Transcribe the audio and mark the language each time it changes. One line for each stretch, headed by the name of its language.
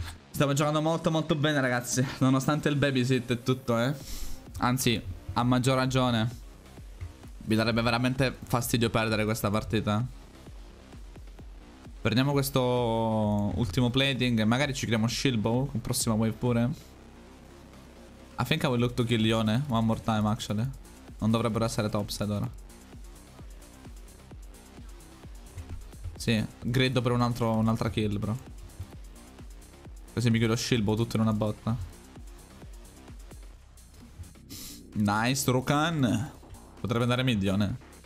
Italian: Stiamo giocando molto molto bene, ragazzi. Nonostante il babysit e tutto, Anzi, a maggior ragione. Mi darebbe veramente fastidio perdere questa partita. Prendiamo questo ultimo plating e magari ci creiamo Shilbo con prossima wave pure.
English: I think I will look to kill Lione one more time, actually.
Italian: Non dovrebbero essere topside ora. Sì, grido per un'altra kill, bro. Così mi chiudo Shilbo tutto in una botta. Nice, Rukan. Potrebbe andare mid, Lione.